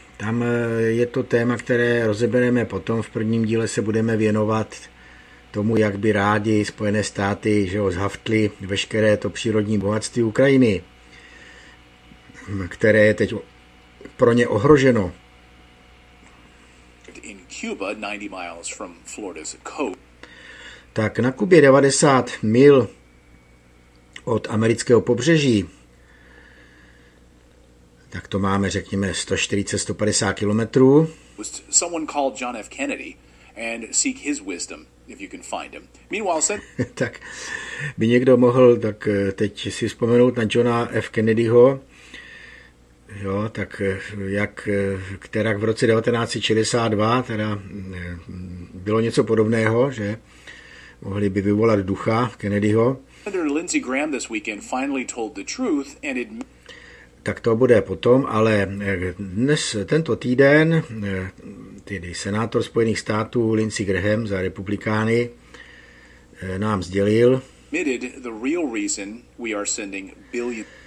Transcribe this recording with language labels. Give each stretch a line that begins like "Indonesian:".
Czech: Tam je to téma, které rozebereme potom. V prvním díle se budeme věnovat tomu, jak by rádi Spojené státy, že ho zhaftli veškeré to přírodní bohatství Ukrajiny, které je teď pro ně ohroženo.
English: In Cuba, 90 miles from Florida's coast.
Czech: Tak na Kubě 90 mil od amerického pobřeží, tak to máme, řekněme, 140-150 kilometrů.
English: Someone called John F. Kennedy and seek his wisdom if you can find him. Meanwhile, said...
Czech: tak by někdo mohl tak teď si vzpomenout na Johna F. Kennedyho, jo, tak jak která v roce 1962 teda bylo něco podobného, že mohli by vyvolat ducha Kennedyho.
English: Lindsey Graham this weekend finally told the truth and it...
Czech: Tak to bude potom, ale dnes, tento týden, tedy senátor Spojených států Lindsey Graham za republikány nám sdělil
English: the real reason we are sending billion...